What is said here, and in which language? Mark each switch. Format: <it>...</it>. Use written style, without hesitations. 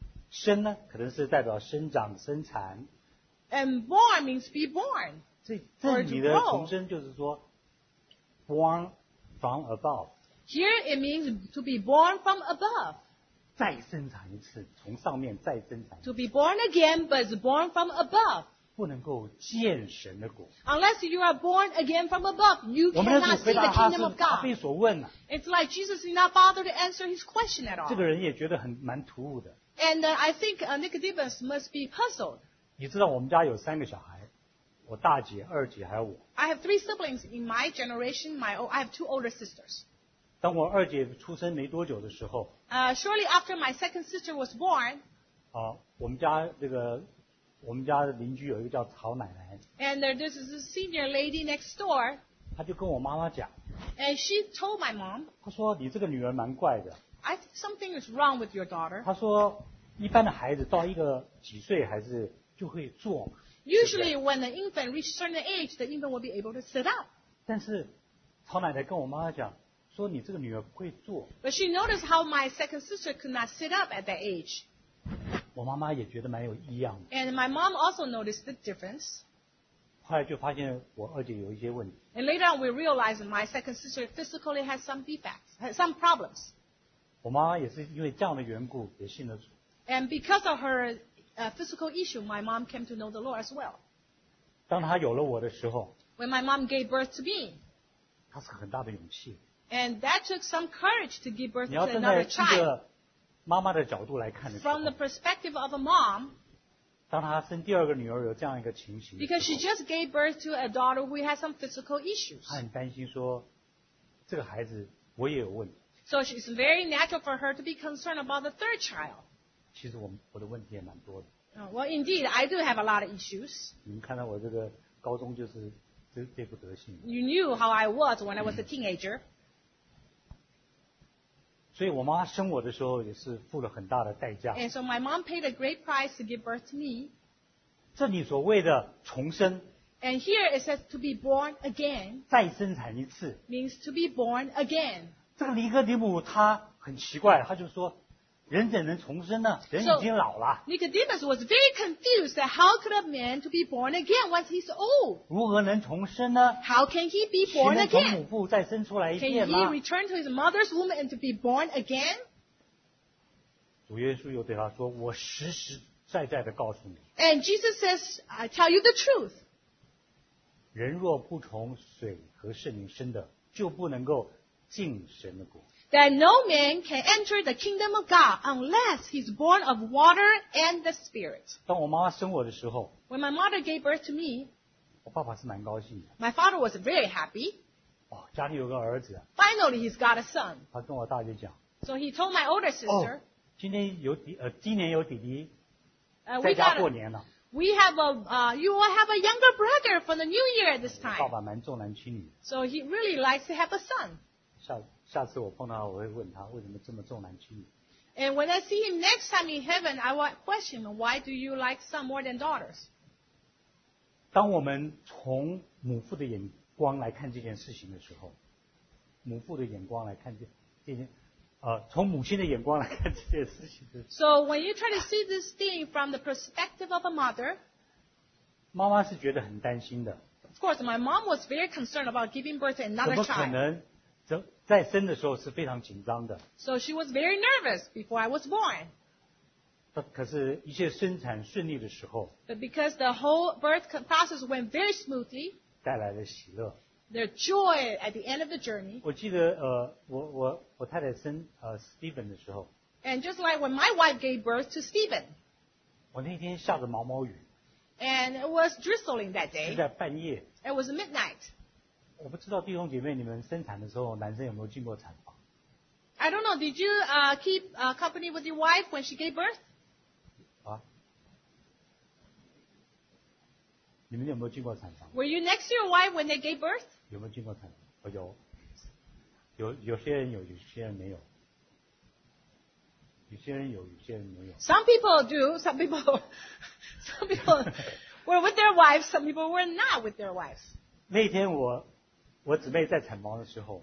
<zh>生呢，可能是代表生长、生产。</zh> <en>And born means be born.</en> <zh>这里的重生就是说</zh> <en>born from above. Here it means to be born from above.</en> <zh>再生产一次，从上面再生产。</zh> <en>To be born again, but it's born from above.</en> <zh>不能够见神的国。</zh> <en>Unless you are born again from above, you cannot see the kingdom of God.</en> <zh>答非所问啊。</zh> <en>It's like Jesus did not bother to answer his question at all.</en> <zh>这个人也觉得蛮突兀的。</zh> <en>And I think Nicodemus must be puzzled.</en> <zh>你知道我们家有三个小孩，我大姐、二姐还有我。</zh> <en>I have three siblings in my generation. I have two older sisters.</en> <zh>当我二姐出生没多久的时候。</zh> <en>Shortly after my second sister was born.</en> <zh>我们家的邻居有一个叫曹奶奶。</zh> <en>And there is a senior lady next door.</en> <zh>她就跟我妈妈讲。</zh> <en>And she told my mom.</en> <zh>她说你这个女儿蛮怪的。</zh> <en>I think something is wrong with your daughter.</en> <zh>她说一般的孩子到一个几岁还是。就会坐。</zh> <en>Usually when the infant reaches certain age, the infant will be able to sit up.</en> <zh>但是曹奶奶跟我妈妈讲说你这个女儿不会坐。</zh> <en>But she noticed how my second sister could not sit up at that age.</en> <zh>我妈妈也觉得蛮有异样的。</zh> <en>And my mom also noticed the difference.</en> <zh>后来就发现我二姐有一些问题。</zh> <en>And later on we realized my second sister physically has some defects, has some problems.</en> <zh>我妈妈也是因为这样的缘故也信了主。</zh> <en>And because of her physical issue, my mom came to know the Lord as well.</en> <zh>当她有了我的时候</zh> <en>When my mom gave birth to me,</en> <zh>她是很大的勇气</zh> <en>And that took some courage to give birth to another child.</en> <zh>你要站在一个妈妈的角度来看的时候</zh> <en>From the perspective of a mom,</en> <zh>当她生第二个女儿有这样一个情形</zh> <en>Because she just gave birth to a daughter who has some physical issues.</en> <zh>她很担心说这个孩子我也有问题</zh> <en>So it's very natural for her to be concerned about the third child.</en> <zh>其实我的问题也蛮多的。</zh> <en>Well, indeed, I do have a lot of issues.</en> <zh>你们看到我这个高中就是这副德行。</zh> <en>You knew how I was when I was a teenager.</en> <zh>所以我妈生我的时候也是付了很大的代价。</zh> <en>And so my mom paid a great price to give birth to me.</en> <zh>这你所谓的重生。</zh> <en>And here it says to be born again.</en> <zh>再生产一次。</zh> <en>Means to be born again.</en> <zh>这个尼哥底母他很奇怪，他就说，人怎能重生呢？人已经老了。</zh> <en>So, Nicodemus was very confused that how could a man to be born again once he's old?</en> <zh>如何能重生呢？</zh> <en>How can he be born again?</en> <zh>岂能从母腹再生出来一遍吗？</zh> <en>Can he return to his mother's womb and to be born again?</en> <zh>主耶稣又对他说，我实实在在的告诉你。</zh> <en>And Jesus says, I tell you the truth.</en> <zh>人若不从水和圣灵生的，就不能够进神的国。</zh> <en>That no man can enter the kingdom of God unless he's born of water and the Spirit.</en> <zh>当我妈妈生我的时候，</zh> <en>When my mother gave birth to me,</en> <zh>我爸爸是蛮高兴的。</zh> <en>My father was very happy.</en> <zh>哦，家里有个儿子。</zh> <en>Finally, he's got a son.</en> <zh>他跟我大姐讲。</zh> <en>So he told my older sister,</en> <zh>哦，今年有弟弟在家过年了。</zh> <en>We have a, you will have a younger brother for the new year at this time.</en> <zh>爸爸蛮重男轻女。</zh> <en>So he really likes to have a son.</en> <zh>下次我碰到他，我会问他为什么这么重男轻女。</zh> <en>And when I see him next time in heaven, I will question him, why do you like son more than daughters?</en> <zh>当我们从母父的眼光来看这件事情的时候，母父的眼光来看这件，从母亲的眼光来看这件事情的时候。</zh> <en>So when you try to see this thing from the perspective of a mother,</en> <zh>妈妈是觉得很担心的。</zh> <en>Of course, my mom was very concerned about giving birth to another child.</en> <zh>怎么可能？在生的时候是非常紧张的。</zh> <en>So she was very nervous before I was born.</en> <zh>可是一切生产顺利的时候，</zh> <en>But because the whole birth process went very smoothly,</en> <zh>带来了喜乐。</zh> <en>There's joy at the end of the journey.</en> <zh>我记得我太太生Stephen 的时候，</zh> <en>And just like when my wife gave birth to Stephen,</en> <zh>我那天下着毛毛雨，</zh> <en>And it was drizzling that day.</en> <zh>是在半夜。</zh> <en>It was midnight.</en> <zh>我不知道弟兄姐妹你们生产的时候男生有没有进过产房。</zh> <en>I don't know, did you keep company with your wife when she gave birth? 啊。</en> <zh>你们有没有进过产房？</zh> <en>Were you next to your wife when they gave birth?</en> <zh>有没有进过产房？哦，有。有些人有，有些人没有。有些人有，有些人没有。</zh> <en>Some people do, some people were with their wives, some people were not with their wives.</en> <zh>那天我姊妹在产房的时候，</zh>